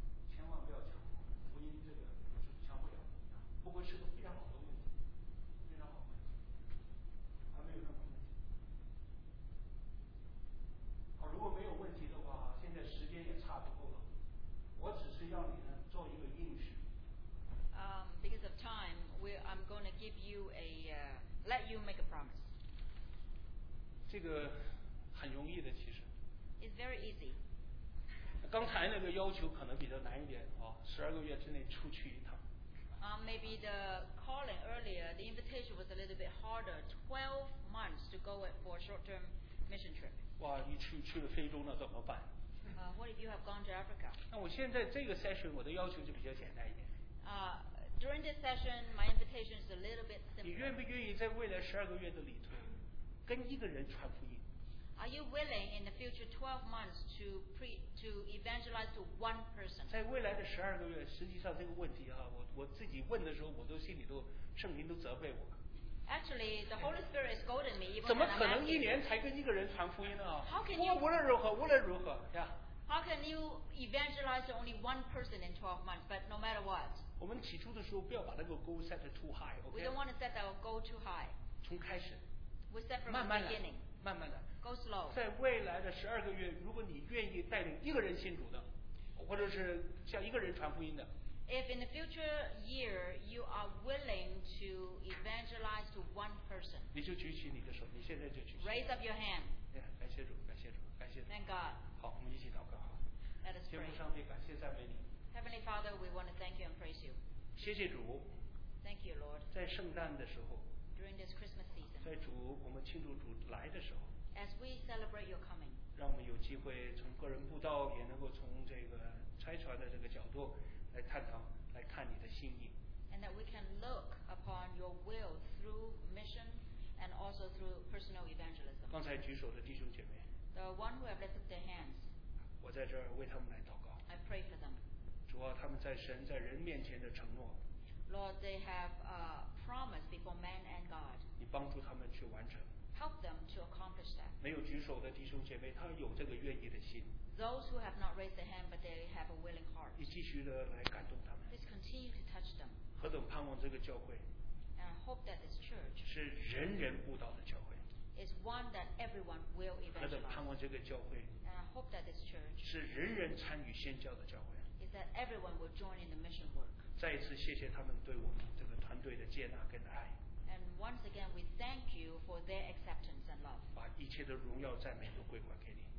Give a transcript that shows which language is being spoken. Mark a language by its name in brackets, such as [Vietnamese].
[Chinese] 千万不要强迫，福音这个是强不了的啊！不过是个非常好的问题，非常好的问题，还没有任何问题。好，如果没有问题的话，现在时间也差不多了，我只是要你呢做一个应许。 [English] Because of time, I'm going to give you a let you make a promise. [Chinese] 这个很容易的，其实。 [English] It's very easy. [Chinese] 刚才那个要求可能比较难一点啊，十二个月之内出去一趟。 [English] Maybe the calling earlier, the invitation was a little bit harder. 12 months to go for a short-term mission trip. [Chinese] 哇，你去了非洲那怎么办？ [English] What if you have gone to Africa? [Chinese] 那我现在这个 session 我的要求就比较简单一点。 [English] During this session, my invitation is a little bit simple. [Chinese] 你愿不愿意在未来十二个月的旅途，跟一个人传福音？ [English] Are you willing in the future 12 months to evangelize to one person? [Chinese] 在未来的十二个月，实际上这个问题哈，我自己问的时候，我都心里都圣灵都责备我。 [English] Actually, the Holy Spirit is scolding me. [Chinese] 怎么可能一年才跟一个人传福音呢？ [English] How can you [Chinese] 无论如何呀？Yeah. [English] How can you evangelize to only one person in 12 months? But no matter what. [Chinese] 我们起初的时候不要把那个 [English] goal set too high. Okay? We don't want to set our goal too high. [Chinese] 从开始。 [English] Was that from [Chinese] 慢慢来, [English] the beginning? [Chinese] 慢慢来。 [English] Go slow. [Chinese] 在未来的十二个月，如果你愿意带领一个人信主的，或者是向一个人传福音的。 [English] If in the future year you are willing to evangelize to one person, [Chinese] 你就举起你的手，你现在就举起。 [English] Raise up your hand. [Chinese] 感谢主，感谢主，感谢主。 [English] Thank God. [Chinese] 好，我们一起祷告。 [English] Let us pray. [Chinese] 天父上帝，感谢赞美你。 [English] Heavenly Father, we want to thank you and praise you. [Chinese] 谢谢主。 [English] Thank you, Lord. [Chinese] 在圣诞的时候。 [English] During this Christmas season. [Chinese] 在主，我们庆祝主来的时候。 [English] As we celebrate your coming. [Chinese] 让我们有机会从个人布道，也能够从这个拆船的这个角度。来探讨，来看你的心意。 [English] And that we can look upon your will through mission and also through personal evangelism. [Chinese] 刚才举手的弟兄姐妹。 [English] The one who have lifted their hands. [Chinese] 我在这儿为他们来祷告。 [English] I pray for them. [Chinese] 主啊，他们在神在人面前的承诺。 [English] Lord, they have a promise before man and God. [Chinese] 你帮助他们去完成。 [English] Help them to accomplish that. [Chinese] 没有举手的弟兄姐妹，他有这个愿意的心。 [English] Those who have not raised their hand, but they have a willing heart. [Chinese] 你继续的来感动他们。 [English] Please continue to touch them. [Chinese] 何等盼望这个教会。 [English] And I hope that this church [Chinese] 是人人布道的教会。 [English] Is one that everyone will evangelize. [Chinese] 何等盼望这个教会。 [English] And I hope that this church [Chinese] 是人人参与宣教的教会。 [English] Is that everyone will join in the mission work. [Chinese] 再一次谢谢他们对我们这个团队的接纳跟爱。 [English] And once again, we thank you for their acceptance and love. [Chinese] 把一切的荣耀赞美都归还给你。